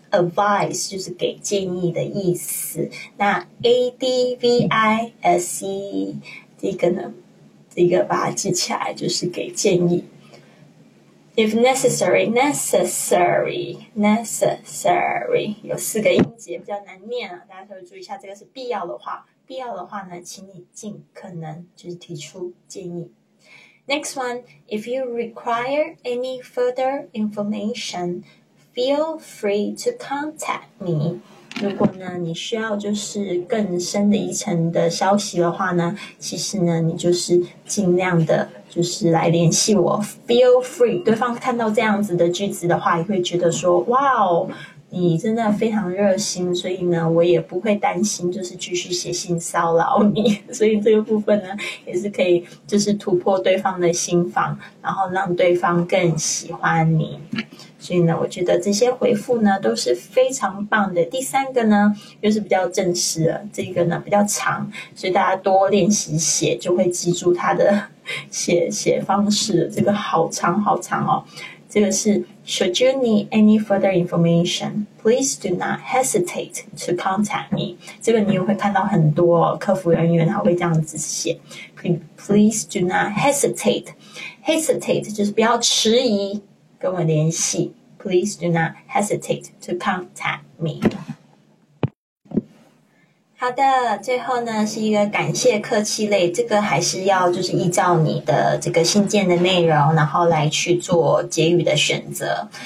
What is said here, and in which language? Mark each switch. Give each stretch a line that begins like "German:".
Chinese: Advice 就是给建议的意思。那 advise 这个呢，这个把它记起来，就是给建议。
English: If necessary，
Chinese: necessary， necessary， 有四个音节比较难念啊，大家稍微注意一下，这个是必要的话。必要的话呢，请你尽可能就是提出建议。
English: Next one, if you require any further information, feel free to contact me.
Chinese: 如果呢你需要就是更深的一层的消息的话呢，其实呢你就是尽量的就是来联系我 feel free。对方看到这样子的句子的话也会觉得说哇哦，你真的非常热心，所以呢我也不会担心就是继续写信骚扰你。所以这个部分呢也是可以就是突破对方的心防，然后让对方更喜欢你。所以呢我觉得这些回复呢都是非常棒的。第三个呢又是比较正式的，这个呢比较长，所以大家多练习写就会记住它的写方式。这个好长好长哦。这个是
English: Should you need any further information, please do not hesitate to contact me.
Chinese: 这个你也会看到很多客服人员他会这样子写。
English: Please do not hesitate.
Chinese: Hesitate 就是不要迟疑跟我联系。
English: Please do not hesitate to contact me.
Chinese: 好的，最后呢是一个感谢客气类，这个还是要就是依照你的这个信件的内容然后来去做结语的选择。